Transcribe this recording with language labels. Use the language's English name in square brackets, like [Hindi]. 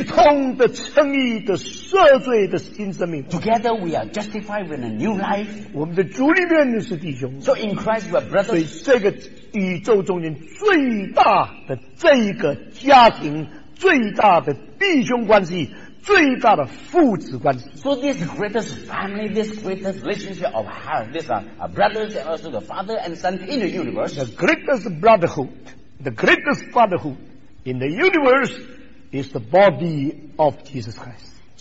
[Chinese] 一同的称义的赦罪的新生命, [English] together we are justified with a new life, [Chinese] 我们的主里面是弟兄, [English] so in Christ we are brothers, [Chinese] 所以这个 宇宙中间最大的这个家庭，最大的弟兄关系，最大的父子关系。 [English] So this greatest family, this greatest relationship of heart, this are brothers and also the father and son in the universe. The greatest brotherhood, the greatest fatherhood in the universe is the body of Jesus Christ.